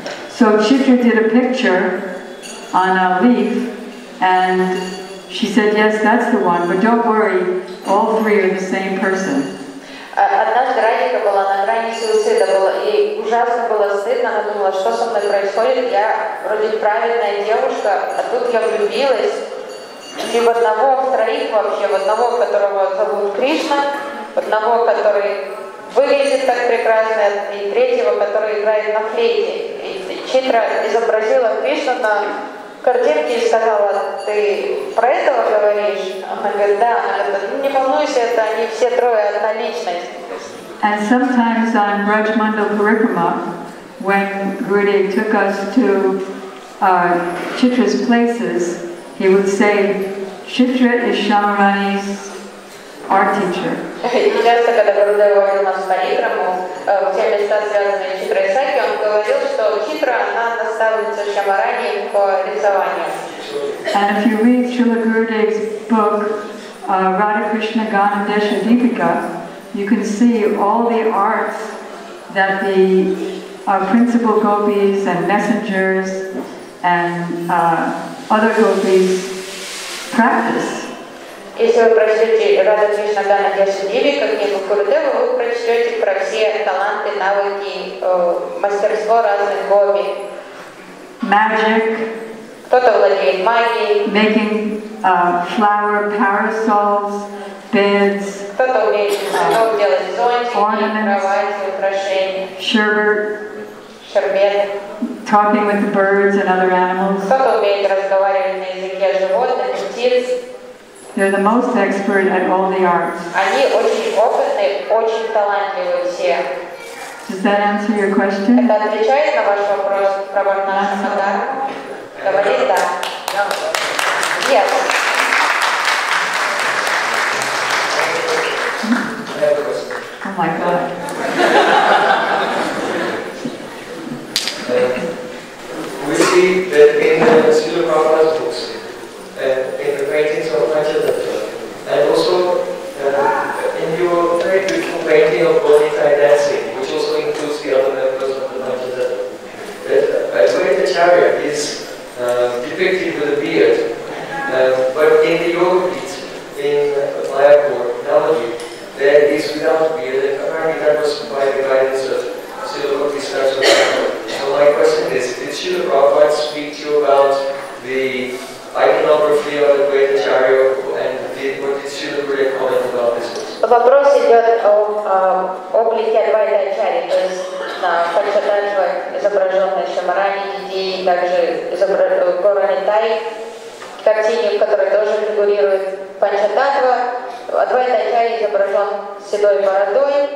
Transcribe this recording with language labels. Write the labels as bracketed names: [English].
[English] So Chitra did a picture on a leaf and she said, yes, that's the one, but don't worry, all three are the same person. [Russian] Однажды Радика была на грани суицида, ей ужасно было стыдно, она думала, что со мной происходит, я вроде правильная девушка, а тут я влюбилась. И в одного, в троих вообще, в одного, которого зовут Кришна, одного, который выглядит так прекрасно, и третьего, который играет на флейте. И Читра изобразила Кришну на картинке и сказала, ты про этого говоришь? Она говорит, да. Не волнуйся, это они все трое одна личность. [English] And sometimes on Braj Mandal Parikrama, when Gurudev took us to Chitra's places, he would say, Chitra is Shamarani's art teacher. [Russian] И часто, когда Гурудев говорил нас Парикраму, в те места, связанные с Читрой Саки, он говорил, что Читра, она наставница Шамарани по рисованию. [English] And if you read Srila Gurudev's book, Radha Krishna Gana Desha Deepika, you can see all the arts that the principal gopis and messengers and other gopis practice. [Russian] Если вы прочтете Радха Кришна Гана Деша Дивика, книгу Курдева, вы прочтете про все таланты, навыки, мастерство разных гопи. [English] Magic. [Russian] Кто-то владеет магией. [English] Making flower parasols, beds. [Russian] Кто-то умеет делать зонтики, кровати, украшения. [English] Sherbet. [Russian] Шербет. [English] Talking with the birds and other animals. [Russian] Кто-то умеет разговаривать на языке животных, птиц. [English] They're the most expert at all the arts. [Russian] Они очень опытные, очень талантливые все. [English] Does that answer your question? [Russian] Это отвечает на ваш вопрос про Варнашрама Дхарму? Говорит да. [English] Yes. I have a question. Oh my God. We see that in the Srila Prabhupada's books, in the paintings of Panchatattva, and also in your very beautiful painting of Bodhi Thai dancing, which also includes the other members of the Panchatattva, Advaita Acharya is depicted with a beard, but in the yoga beat, in Mayapur analogy, there is without beard, and apparently that was by the guidance of Srila Bhakti Sarasvati. So my question is, did Srila Prabhupada speak to you about the [Russian] Вопрос идет о облике Адвайта Ачарьи, то есть на Панчататтва изображенной Шамарани Диди и также Горани Тай, картине, в которой тоже фигурирует Панчататтва. Адвайта Ачарьи изображен седой бородой,